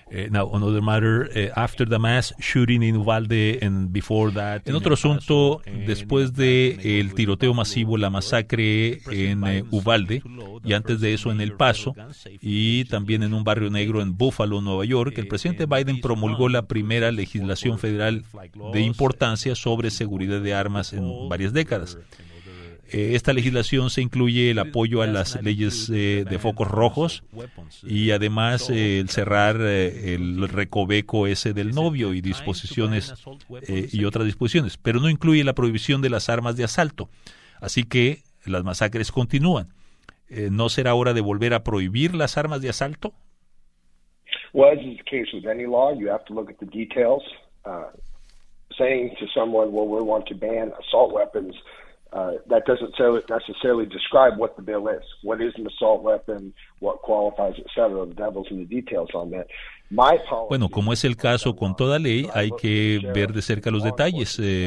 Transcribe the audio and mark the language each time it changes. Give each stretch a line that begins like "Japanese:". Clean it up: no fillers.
English: Now, another matter, after the mass shooting in Uvalde and before that...
Spanish: En otro asunto, después del tiroteo masivo, la masacre en Uvalde, y antes de eso en El Paso, y también en un barrio negro en Buffalo, Nueva York, el presidente Biden promulgó la primera legislación federal de importancia sobre seguridad de armas en varias décadas. Esta legislación se incluye el apoyo a las leyes de focos rojos y además el cerrar el recoveco ese del novio y disposiciones y otras disposiciones, pero no incluye la prohibición de las armas de asalto. Así que las masacres continúan. ¿No será hora de volver a prohibir las armas de asalto?
English: Well, as is the case with any law, you have to look at the details. Saying to someone, well, we want to ban assault weapons. That doesn't necessarily describe what the bill is. What is an assault weapon? What qualifies, etc. The devil's in the details on that.
Spanish: Bueno, como es el caso con toda ley, hay que ver de cerca los detalles.